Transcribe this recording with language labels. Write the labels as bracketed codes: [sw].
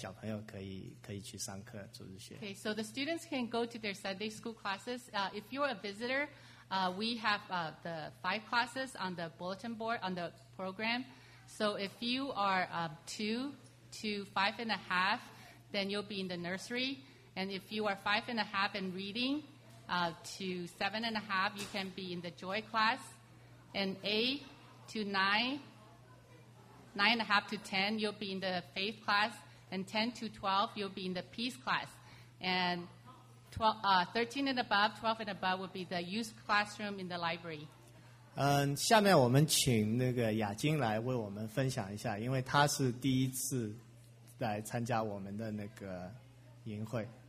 [zh] 我想我们那个小朋友可以走开，我们还有两个分享，但是小朋友可以去上课了。我刚才本来我的见证小朋友不需要听，可是因为我女儿要求我一定要为那个Elaine老师讲，她一定要听到，所以我请小朋友多留了一次。那现在小朋友可以去上课主日学。 [en] Okay, so the students can go to their Sunday school classes. If you're a visitor, we have the five classes on the bulletin board on the program. So if you are 2 to 5 and a half, then you'll be in the nursery. And if you are 5 and a half and reading to 7 and a half, you can be in the joy class. And 8 to 9, 9 and a half to 10, you'll be in the faith class. And 10 to 12, you'll be in the peace class. And 13 and above, 12 and above will be the youth classroom in the library. [zh] 下面我们请那个雅金来为我们分享一下，因为她是第一次来参加我们的那个营会。